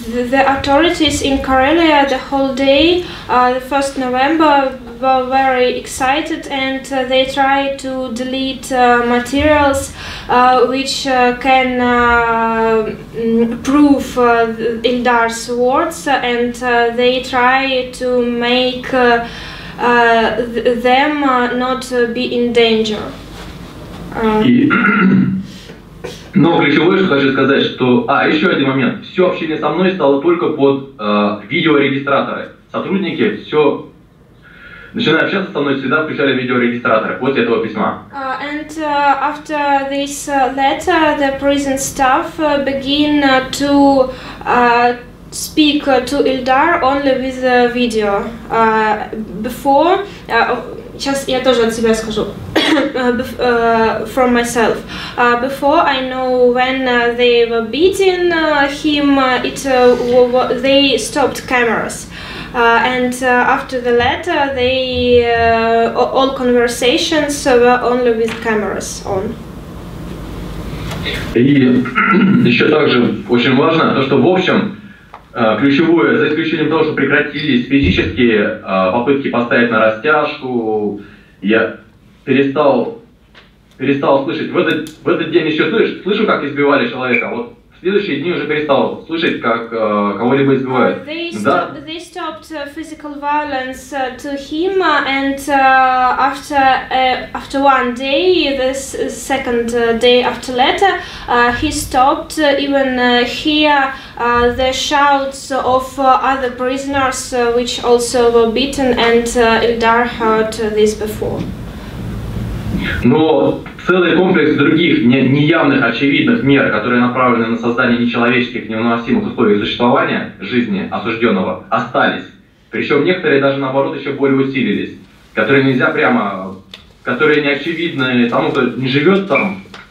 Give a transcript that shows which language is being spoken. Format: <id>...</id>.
<en>The authorities in Karelia the whole day, the 1st November, were very excited, and they tried to delete materials which can prove Ildar's words, and they try to make them not be in danger.</en> <ru>Но ключевое, что хочу сказать, что... А, еще один момент. Все общение со мной стало только под видеорегистраторы. Сотрудники все... Начиная общаться со мной, всегда включали видеорегистраторы после этого письма.</ru> <en>And after this letter, the prison staff begin to speak to Ildar only with the video. Before...</en> <ru>Сейчас я тоже от себя скажу.</ru> <en>From myself. Before I know when they were beating him, they stopped cameras. And after the letter, they all conversations were only with cameras on.</en> <ru>И еще также очень важно то, что в общем ключевое, за исключением того, что прекратились физические попытки поставить на растяжку, я перестал слышать. В этот день еще слышу, как избивали человека. Вот в следующие дни уже перестал слышать, как кого-либо избивают.</ru> <en>They stopped physical violence to him, and after one day, this second day after letter, he stopped even hear the shouts of other prisoners, which also were beaten, and Ildar heard this before.</en> <ru>Но целый комплекс других неявных, очевидных мер, которые направлены на создание нечеловеческих, невыносимых условий существования жизни осужденного, остались. Причем некоторые даже наоборот еще более усилились, которые нельзя прямо, которые не очевидны тому, кто не живет там.</ru>